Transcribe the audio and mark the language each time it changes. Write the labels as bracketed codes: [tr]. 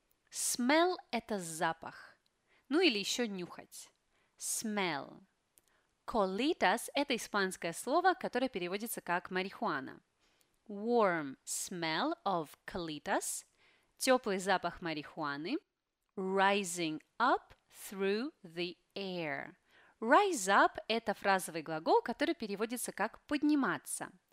[ru] Smell – это запах. Ну или еще нюхать. Smell. Colitas – это испанское слово, которое переводится как марихуана. [en] Warm smell of colitas. [ru] Теплый запах марихуаны. [en] Rising up through the air. [ru] Rise up – это фразовый глагол, который переводится как «подниматься».